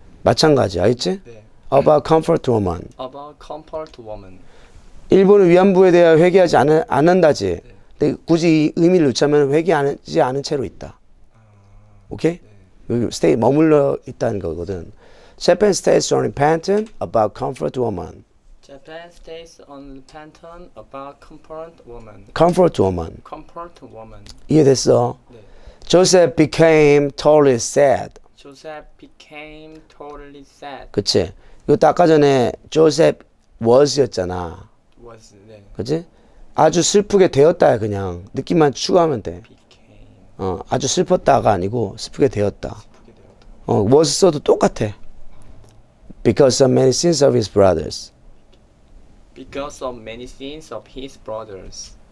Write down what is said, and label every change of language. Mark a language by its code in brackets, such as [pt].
[ko] 마찬가지, 알겠지? 네. [en] About comfort woman. About comfort woman. [ko] 일본은 위안부에 대해 회개하지 않는다지. 근데 굳이 이 의미를 놓자면 회개하지 않은 채로 있다. 오케이? 여기 stay 머물러 있다는 거거든. [en] Japan stays unrepentant about comfort woman. Japan stays unrepentant about comfort woman. Comfort woman. Comfort woman. [ko] 이해됐어? 네. [en] Joseph became totally sad. Joseph became totally sad. [ko] 그치? 이거 아까 전에 Joseph was였잖아. Was 네. 그치? 아주 슬프게 되었다야 그냥 느낌만 추가하면 돼. [en] Became [ko] 어, 아주 슬펐다가 아니고 슬프게 되었다. 슬프게 되었다. was 써도 똑같아. [en] Because of many sins of his brothers. Because of many sins of his brothers.